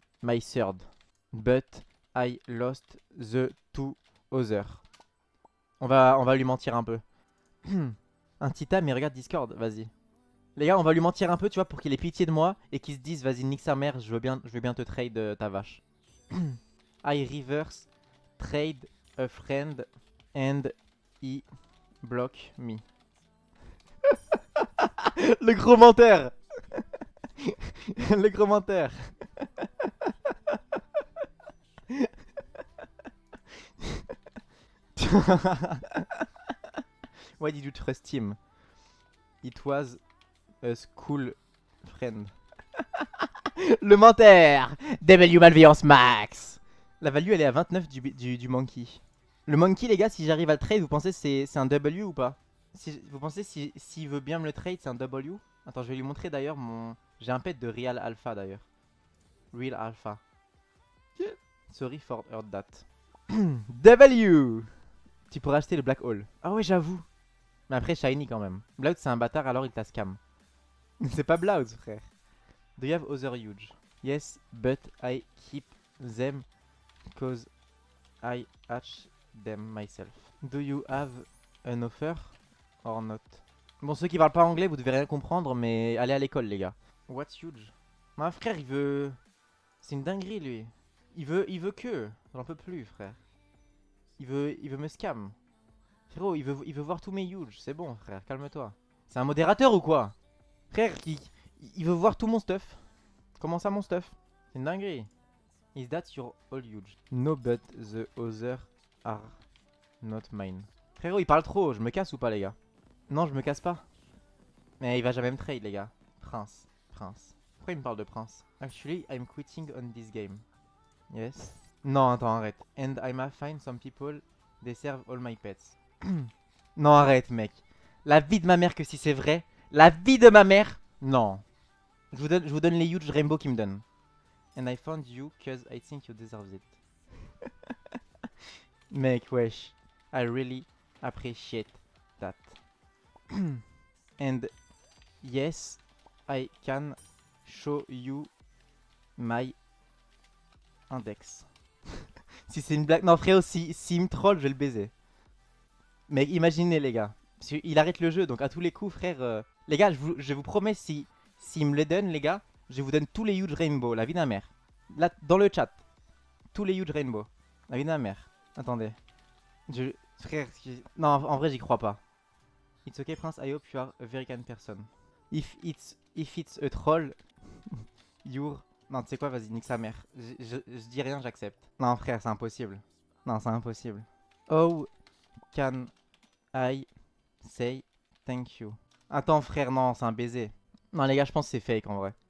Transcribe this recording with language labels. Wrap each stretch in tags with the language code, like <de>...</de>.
<en>My third. But I lost the two other.</en> <fr>On va lui mentir un peu. Un titan, mais regarde Discord, vas-y. Les gars, on va lui mentir un peu, tu vois, pour qu'il ait pitié de moi et qu'il se dise, vas-y, nique sa mère, je veux bien te trade ta vache.</fr> <en>I reverse trade a friend and he block me.</en> <fr>Le gros menteur. Le gros menteur.</fr> <en>Why did you trust him? It was... A school friend.</en> <fr>Le menteur. W malveillance max. La value elle est à 29 du monkey. Le monkey les gars, si j'arrive à le trade, vous pensez c'est un W ou pas? Vous pensez s'il veut bien me le trade, c'est un W? Attends, je vais lui montrer d'ailleurs mon... J'ai un pet de Real Alpha d'ailleurs. Real Alpha.</fr> <en>Sorry for heard that. W.</en> <fr>Tu pourrais acheter le Black Hole. Ah ouais, j'avoue. Mais après shiny quand même. Blood c'est un bâtard, alors il t'a scam. C'est pas Blouse, frère.</fr> <en>Do you have other huge? Yes, but I keep them cause I hatch them myself. Do you have an offer or not?</en> <fr>Bon, ceux qui parlent pas anglais, vous devez rien comprendre, mais allez à l'école, les gars.</fr> <en>What's huge?</en> <fr>Ma frère, il veut... C'est une dinguerie, lui. Il veut que. J'en peux plus, frère. Il veut me scam. Frérot, il veut voir tous mes huge. C'est bon, frère, calme-toi. C'est un modérateur ou quoi? Frère, il veut voir tout mon stuff. Comment ça, mon stuff? C'est une dinguerie.</fr> <en>Is that your all huge? No, but the other are not mine.</en> <fr>Frérot, il parle trop, je me casse ou pas, les gars? Non, je me casse pas. Mais il va jamais me trade, les gars. Prince, prince. Pourquoi il me parle de prince?</fr> <en>Actually, I'm quitting on this game. Yes.</en> <fr>Non, attends, arrête.</fr> <en>And I might find some people, they serve all my pets.</en> <fr>Non, arrête, mec. La vie de ma mère que si c'est vrai. La vie de ma mère. Non. Je vous donne les huge rainbow qui me donnent.</fr> <en>And I found you cause I think you deserve it.</en> <fr>Mec, wesh.</fr> <en>I really appreciate that. And yes, I can show you my index.</en> <fr>Si c'est une blague. Non, frérot, s'il me troll, je vais le baiser. Mais imaginez, les gars. Il arrête le jeu, donc à tous les coups, frère. Les gars, je vous promets, s'il me le donne, les gars, je vous donne tous les huge rainbow, la vie d'un mère. Là, dans le chat. Tous les huge rainbow, la vie d'un mère. Attendez. Frère, non, en vrai, j'y crois pas.</fr> <en>It's okay, Prince, I hope you are a very kind person. If it's a troll, you're...</en> <fr>Non, tu sais quoi, vas-y, nique sa mère. Je dis rien, j'accepte. Non, frère, c'est impossible. Non, c'est impossible.</fr> <en>How can I say thank you?</en> <fr>Attends, frère, non, c'est un baiser. Non, les gars, je pense que c'est fake, en vrai.</fr>